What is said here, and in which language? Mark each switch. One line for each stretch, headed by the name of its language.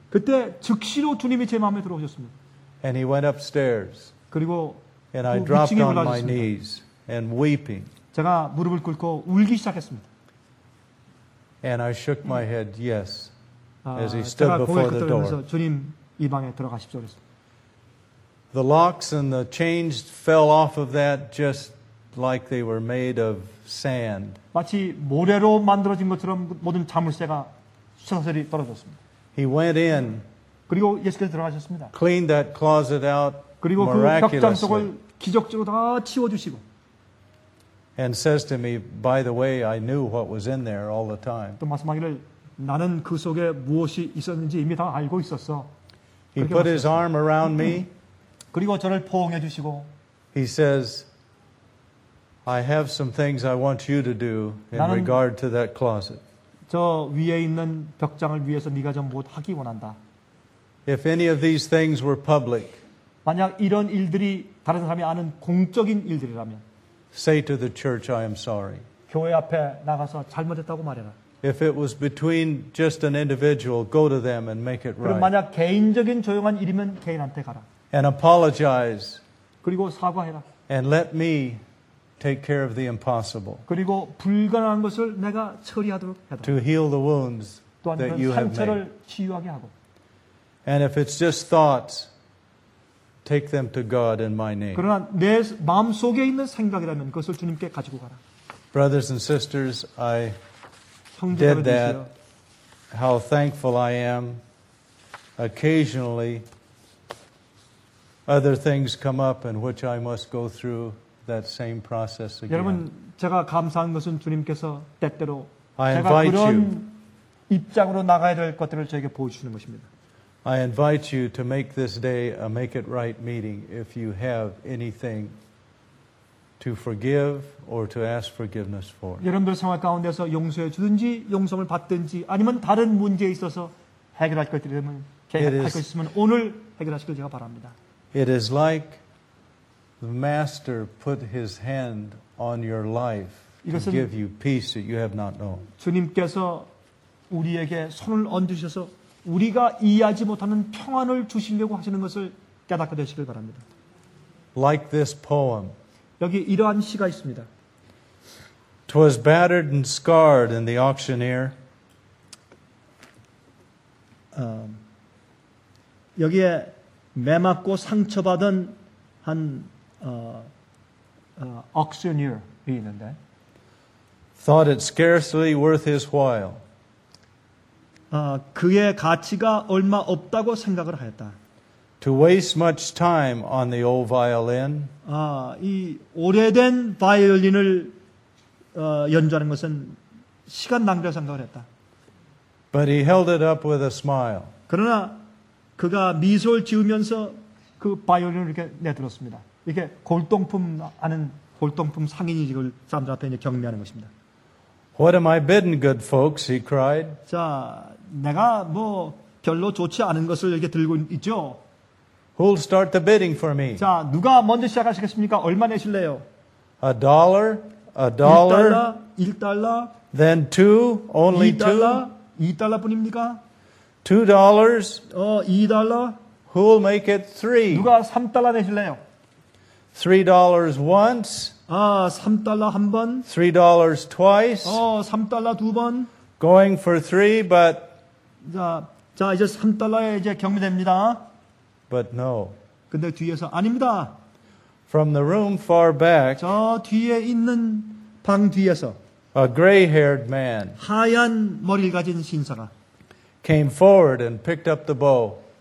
Korean: 그때 즉시로 주님이 제 마음에 들어오셨습니다.
English: And he went upstairs.
Korean: 그리고
English: And I dropped on my knees and weeping.
Korean: 제가 무릎을 꿇고 울기 시작했습니다.
English: And I shook my head yes as he stood before the door.
Korean: 주님 이 방에 들어가십시오 그랬습니다.
English: The locks and the chains fell off of that just like they were made of sand.
Korean: 마치 모래로 만들어진 것처럼 모든 자물쇠가 수사슬이 떨어졌습니다.
English: He went in.
Korean: 그리고 예수께서 들어가셨습니다.
English: Cleaned that closet out.
Korean: 그리고 그 벽장 속을 기적적으로 다 치워 주시고
English: And says to me, by the way, I knew what was in there all the time.
Korean: 또 말씀하기를 나는 그 속에 무엇이 있었는지 이미 다 알고 있었어.
English: He put his arm around me.
Korean: 그리고 저를 포옹해 주시고
English: He says, I have some things I want you to do in regard to that closet.
Korean: 저 위에 있는 벽장을 위해서 네가 좀 무엇 하기 원한다.
English: If any of these things were public,
Korean: 만약 이런 일들이 다른 사람이 아는 공적인 일들이라면
English: Say to the church, I am sorry.
Korean: 교회 앞에 나가서 잘못했다고 말해라.
English: If it was between just an individual, go to them and make it right.
Korean: 그럼 만약 개인적인 조용한 일이면 개인한테 가라.
English: And apologize.
Korean: 그리고 사과해라.
English: And let me take care of the impossible.
Korean: 그리고 불가능한 것을 내가 처리하도록 해라.
English: To heal the wounds that you have made.
Korean: 상처를 치유하게 하고.
English: And if it's just thoughts, take them to God in my name.
Korean: 그러나 내 마음 속에 있는 생각이라면 그것을 주님께 가지고 가라.
English: Brothers and sisters, I did that. How thankful I am. Occasionally, other things come up in which I must go through that same process again.
Korean: 여러분, 제가 감사한 것은 주님께서 때때로
English: I invite
Korean: 제가 그런
English: you.
Korean: 입장으로 나가야 될 것들을 저에게 보여주시는 것입니다.
English: I invite you to make this day a make it right meeting if you have anything to forgive or to ask forgiveness for.
Korean: 여러분들 생활 가운데서 용서해 주든지 용서를 받든지 아니면 다른 문제에 있어서 해결할 것들이면 해결할 것 있으면 오늘 해결하시길 제가 바랍니다.
English: It is like the master put his hand on your life to give you peace that you have not known.
Korean: 주님께서 우리에게 손을 얹으셔서 우리가 이해하지 못하는 평안을 주시려고 하시는 것을 깨닫게 되시길 바랍니다.
English: Like this poem.
Korean: 여기 이러한 시가 있습니다.
English: 'Twas battered and scarred in the auctioneer.
Korean: 여기에 매맞고 상처받은 한 auctioneer이 있는데.
English: Thought it scarcely worth his while.
Korean: 그의 가치가 얼마 없다고 생각을 하였다.
English: To waste much time on the old violin.
Korean: 이 오래된 바이올린을 연주하는 것은 시간 낭비라 생각을 했다.
English: But he held it up with a smile.
Korean: 그러나 그가 미소를 지으면서 그 바이올린을 이렇게 내들었습니다. 이렇게 골동품 하는 골동품 상인이 지금 사람들 앞에 이제 경매하는 것입니다.
English: What am I bidding, good folks? He cried.
Korean: 자, 내가 뭐 별로 좋지 않은 것을 이렇게 들고 있죠.
English: Who'll start the bidding for me?
Korean: 자, 누가 먼저 시작하시겠습니까? 얼마 내실래요?
English: A dollar, a dollar.
Korean: 1달러.
English: Then two, only two.
Korean: 2달러뿐입니까?
English: $2.
Korean: 2달러.
English: Who'll make it three?
Korean: 누가 3달러 내실래요?
English: $3 once.
Korean: 3달러 한 번.
English: $3 twice.
Korean: 3달러 두 번.
English: Going for three, but.
Korean: 자, 이제 3달러에 이제 경매됩니다.
English: But no.
Korean: 근데 뒤에서 아닙니다.
English: From the room far back.
Korean: 저 뒤에 있는 방 뒤에서.
English: A gray-haired man.
Korean: 하얀 머리를 가진 신사가.
English: Came forward and picked up the bow.